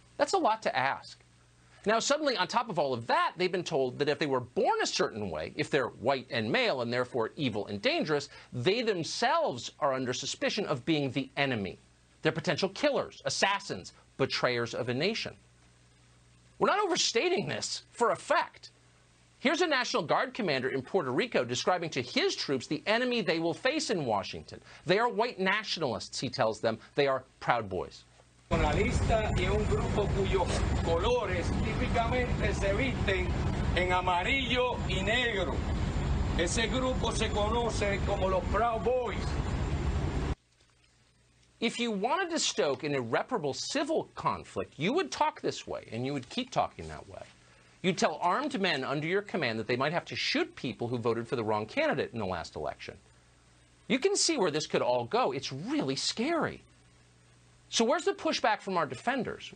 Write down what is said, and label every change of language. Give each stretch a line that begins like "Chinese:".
English: That's a lot to ask. Now, suddenly, on top of all of that, they've been told that if they were born a certain way, if they're white and male and therefore evil and dangerous, they themselves are under suspicion of being the enemy. They're potential killers, assassins, betrayers of a nation. We're not overstating this for effect. Here's a National Guard commander in Puerto Rico describing to his troops the enemy they will face in Washington. They are white nationalists, he tells them. They are Proud Boys.
Spanish: Nacionalista y un grupo cuyos colores típicamente se visten en amarillo y negro. Ese grupo se conoce como los Proud Boys.
English: If you wanted to stoke an irreparable civil conflict, you would talk this way and you would keep talking that way. You'd tell armed men under your command that they might have to shoot people who voted for the wrong candidate in the last election. You can see where this could all go. It's really scary. So where's the pushback from our defenders?